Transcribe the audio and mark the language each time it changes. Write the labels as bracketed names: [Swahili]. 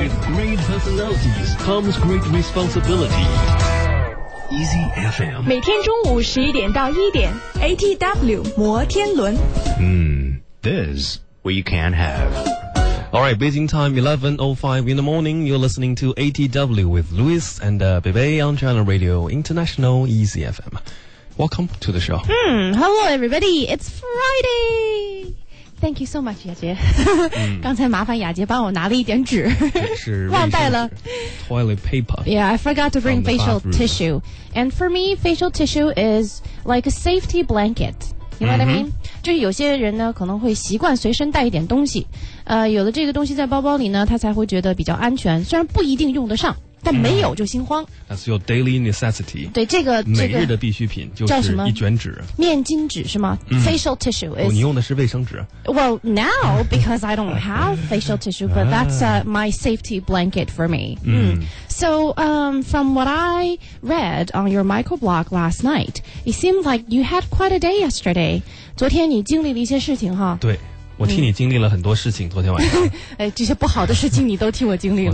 [English] with great personalities comes great responsibility easy FM [Chinese] 每天中午十一点到一点 ATW 摩天轮 [English] this we can have Alright, Beijing time 11:05 in the morning. You're listening to ATW with Louis and Bebe on China Radio International Easy FM. Welcome to the show. Hello everybody, it's Friday! Thank you so much, 雅洁。 [Chinese] 刚才麻烦雅洁帮我拿了一点纸。忘带了。 [English] Toilet paper. Yeah, I forgot to bring facial tissue. And for me, facial tissue is like a safety blanket. You know what I mean? [Chinese] 就有些人呢可能会习惯随身带一点东西有了这个东西在包包里呢他才会觉得比较安全虽然不一定用得上但没有就心慌、 [English] mm-hmm. That's your daily necessity [Chinese] 对这个每日的必需品就是一卷纸面巾纸是吗、mm-hmm. [English] Facial tissue is、 [Chinese] 你用的是卫生纸 [English] Well now because I don't have facial tissue But that's、my safety blanket for me、So from what I read on your microblog last night It seemed like you had quite a day yesterday [Chinese] 昨天你经历了一些事情哈对我替你经历了很多事情昨天晚上这些不好的事情你都替我经历了